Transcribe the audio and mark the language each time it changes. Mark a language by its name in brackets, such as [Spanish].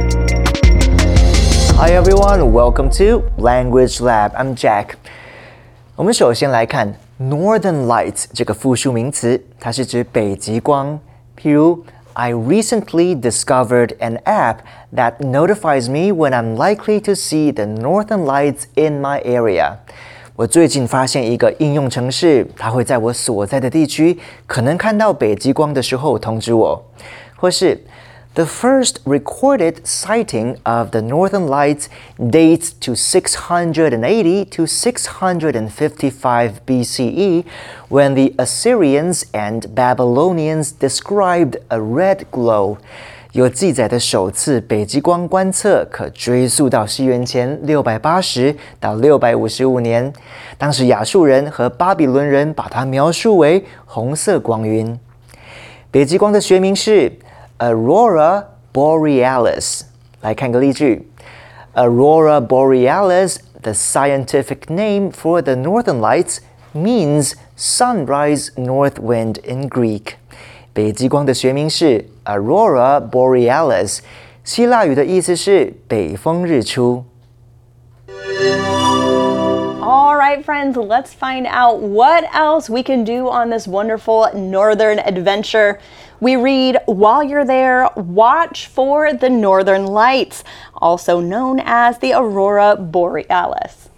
[English] Hi everyone, welcome to Language Lab. I'm Jack. [Chinese] 我们首先来看 Northern Lights 这个复数名词，它是指北极光。 [English] 譬如 I recently discovered an app that notifies me when I'm likely to see the Northern Lights in my area. [Chinese] 我最近发现一个应用程式，它会在我所在的地区可能看到北极光的时候通知我。 [English] 或是 The first recorded sighting of the Northern Lights dates to 680 to 655 BCE when the Assyrians and Babylonians described a red glow. [Chinese] 有记载的首次北极光观测可追溯到西元前680到655年。当时亚述人和巴比伦人把它描述为红色光晕。北极光的学名是Aurora Borealis. 来看个例句。 [English] Aurora Borealis, the scientific name for the Northern Lights, means sunrise north wind in Greek. [Chinese] 北极光的学名是 Aurora Borealis. 希腊语的意思是北风日出。 [English] All right, friends, let's find out what else we can do on this wonderful northern adventure. We read, while you're there, watch for the northern lights, also known as the Aurora Borealis.